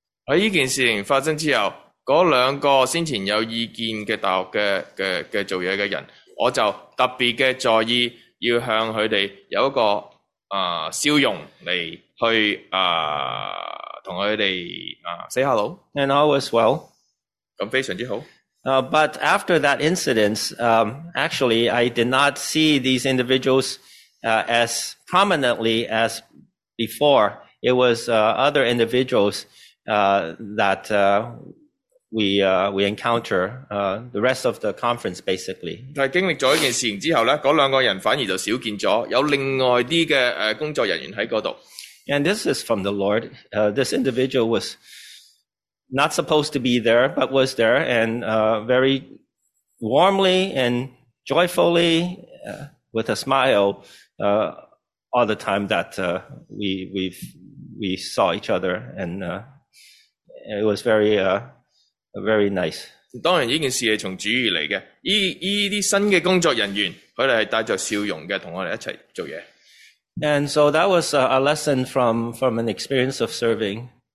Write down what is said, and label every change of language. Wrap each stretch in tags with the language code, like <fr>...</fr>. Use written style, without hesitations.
<zh>在这件事情发生之后，那两个先前有意见的大学的做事的人，我就特别的在意要向他们有一个笑容嚟去同佢哋</zh> <en>say hello, and all was well.</en> <zh>咁非常之好。</zh> <en>But after that incident, actually, I did not see these individuals as prominently as before. It was other individuals that we encounter the rest of the conference basically.</en> <zh>但是经历了一件事情之后呢，那两个人反而就少见了，有另外一些工作人员在那里。</zh> <en>And this is from the Lord. This individual was not supposed to be there, but was there, and very warmly and joyfully with a smile all the time that we saw each other. And it was very nice.</en> <zh>当然这件事是从主而来的。这些新的工作人员，他们是带着笑容的跟我们一起做事。</zh> <en>And so that was a lesson from an experience of serving.</en>